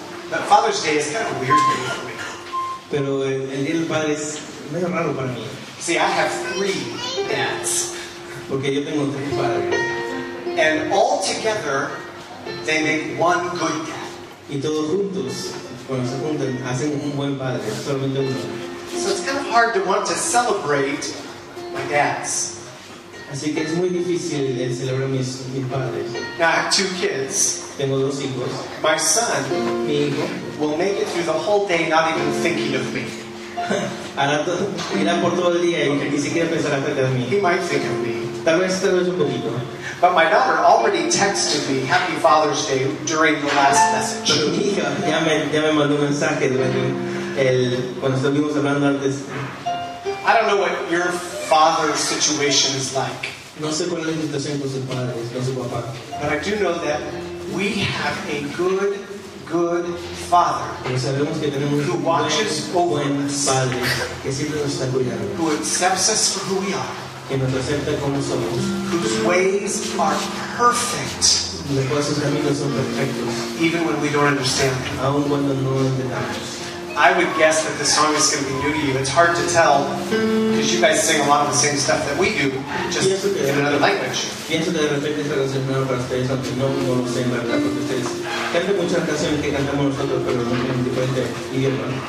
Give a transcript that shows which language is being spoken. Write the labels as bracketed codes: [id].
[en] But Father's Day is kind of weird for me. [es] Pero el Día del Padre es medio raro para mí. [en] See, I have three dads. [es] Porque yo tengo tres padres. [en] And all together, they make one good dad. [es] Y todos juntos, cuando se juntan, hacen un buen padre, solamente uno. [en] So it's kind of hard to want to celebrate my dads. [es] Así que es muy difícil de celebrar mis padres. [en] Now I have two kids. [es] Tengo dos hijos. [en] My son, [es] mi hijo, [en] will make it through the whole day not even thinking of me. [es] Irá por todo el día y ni siquiera pensará frente a mí. [en] He might think of me. [es] Tal vez un poquito. [en] But my daughter already texted me Happy Father's Day during the last message. [es] Pero mi hija ya me mandó un mensaje durante cuando estuvimos hablando antes. [en] I don't know what your father's situation is like. [es] No sé cuál es la situación con su padre, con su papá. [en] But I do know that we have a good, good father. [es] Pero sabemos que tenemos [en] who watches over us. [es] Padre, que siempre nos está cuidando. [en] Who accepts us for who we are. [es] Que nos acepta como somos. [en] Whose ways are perfect. [es] De cuales sus caminos son perfectos. [en] Even when we don't understand them. [es] Aun cuando no lo entendamos. [en] I would guess that the song is going to be new to you. It's hard to tell because you guys sing a lot of the same stuff that we do, just in another language. [es] Pienso que de repente esta canción nueva para ustedes, aunque no lo sé, verdad, porque ustedes cantan muchas canciones que cantamos nosotros, pero en diferente idioma.